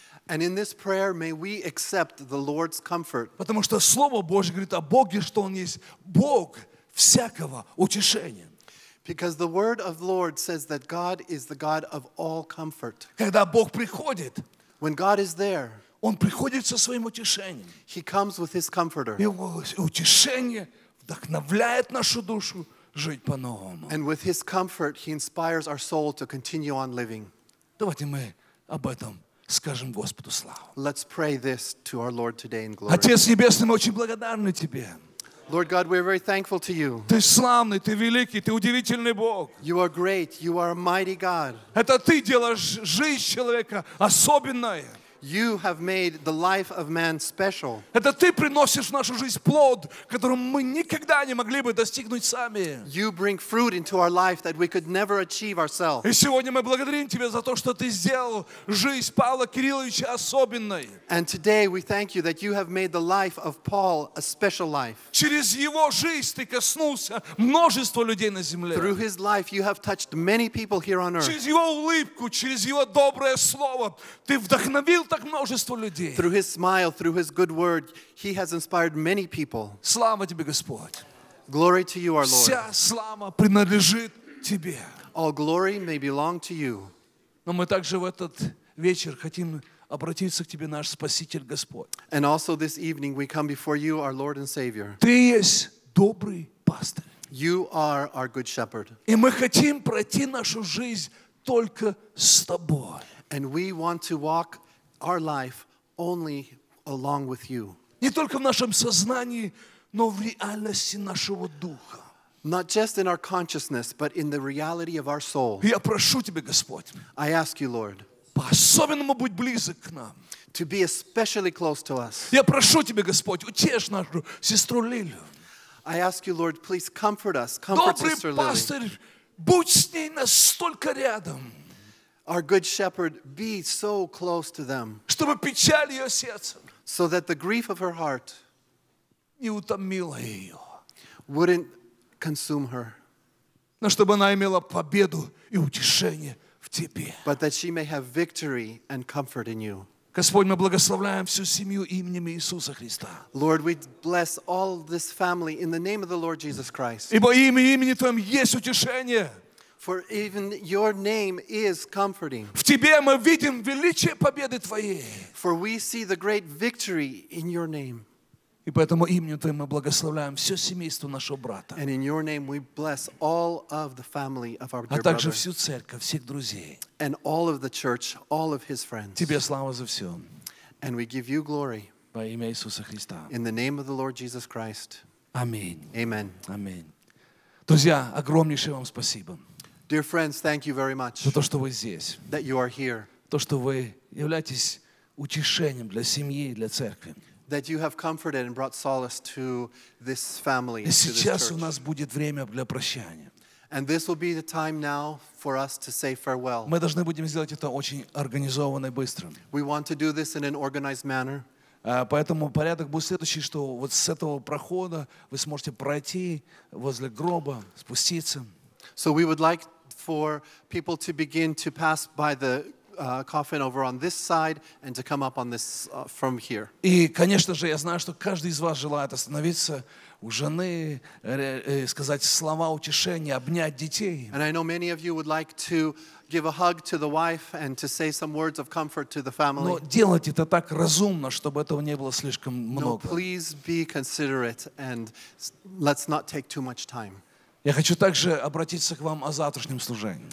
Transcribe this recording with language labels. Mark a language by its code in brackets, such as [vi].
[en] And in this prayer, may we accept the Lord's comfort. [ru] Потому что Слово Божье говорит о Боге, что Он есть Бог всякого утешения. [en] Because the word of the Lord says that God is the God of all comfort. [ru] Когда Бог приходит, [en] when God is there, [ru] Он приходит со своим утешением. [en] He comes with His comforter. [ru] Его утешение вдохновляет нашу душу жить по-новому. [en] And with His comfort, He inspires our soul to continue on living. [ru] Давайте мы об этом скажем Господу славу. [en] Let's pray this to our Lord today in glory. [ru] Отец Небесный, мы очень благодарны Тебе. [en] Lord God, we are very thankful to you. [ru] Ты славный, ты великий, ты удивительный Бог. [en] You are great, you are a mighty God. [ru] Это ты делаешь жизнь человека особенной. [en] You have made the life of man special. [ru] Это ты приносишь в нашу жизнь плод, которым мы никогда не могли бы достигнуть сами. [en] You bring fruit into our life that we could never achieve ourselves. [ru] И сегодня мы благодарим тебя за то, что ты сделал жизнь Павла Кирилловича особенной. [en] And today we thank you that you have made the life of Paul a special life. [ru] Через его жизнь ты коснулся множество людей на земле. [en] Through his life you have touched many people here on earth. [ru] Через его улыбку, через его доброе слово ты вдохновил. [en] Through his smile, through his good word, he has inspired many people. [ru] Слава тебе, Господь. [en] Glory to you, our Lord. [ru] Вся слава принадлежит тебе. [en] All glory may belong to you. [ru] Но мы также в этот вечер хотим обратиться к тебе, наш Спаситель, Господь. [en] And also this evening we come before you, our Lord and Savior. [ru] Ты есть добрый пастырь. [en] You are our good shepherd. [ru] И мы хотим пройти нашу жизнь только с тобой. [en] And we want to walk our life only along with you. [ru] Не только в нашем сознании, но в реальности нашего духа. [en] Not just in our consciousness, but in the reality of our soul. [ru] Я прошу тебя, Господь. [en] I ask you, Lord. [ru] По-особенному будь близок к нам. [en] To be especially close to us. [ru] Я прошу тебя, Господь, утешь нашу сестру Лилию. [en] I ask you, Lord, please comfort us, comfort sister Lily. [ru] Добрый пастырь, будь с ней настолько рядом. [en] Our good shepherd, be so close to them. [ru] Чтобы печаль ее сердца. [en] So that the grief of her heart [ru] не утомила ее. [en] Wouldn't consume her. [ru] Но чтобы она имела победу и утешение в тебе. [en] But that she may have victory and comfort in you. [ru] Господь, мы благословляем всю семью именем Иисуса Христа. [en] Lord, we bless all this family in the name of the Lord Jesus Christ. [ru] Ибо имени Твоем есть утешение. [en] For even your name is comforting. [ru] В тебе мы видим величие победы твоей. [en] For we see the great victory in your name. [ru] И поэтому именем твоим мы благословляем все семейство нашего брата. [en] And in your name we bless all of the family of our dear brother. [ru] А также всю церковь, всех друзей. [en] And all of the church, all of his friends. [ru] Тебе слава за все. [en] And we give you glory. [ru] Во имя Иисуса Христа. [en] In the name of the Lord Jesus Christ. [ru] Аминь. [en] Amen. [ru] Аминь. Друзья, огромнейшее вам спасибо. [en] Dear friends, thank you very much [ru] за то, что вы здесь. [en] That you are here. [ru] То, что вы являетесь утешением для семьи и для церкви. [en] That you have comforted and brought solace to this family, [ru] и сейчас у нас будет время для прощания. [en] And this will be the time now for us to say farewell. [ru] Мы должны будем сделать это очень организованно и быстро. [en] We want to do this in an organized manner. [ru] Поэтому порядок будет следующий, что вот с этого прохода вы сможете пройти возле гроба, спуститься. [en] So we would like for people to begin to pass by the coffin over on this side and to come up on this from here. [ru] И, конечно же, я знаю, что каждый из вас желает остановиться у жены, сказать слова утешения, обнять детей. [en] And I know many of you would like to give a hug to the wife and to say some words of comfort to the family. [ru] Но делать это так разумно, чтобы этого не было слишком много. [en] No, please be considerate and let's not take too much time. [ru] Я хочу также обратиться к вам о завтрашнем служении.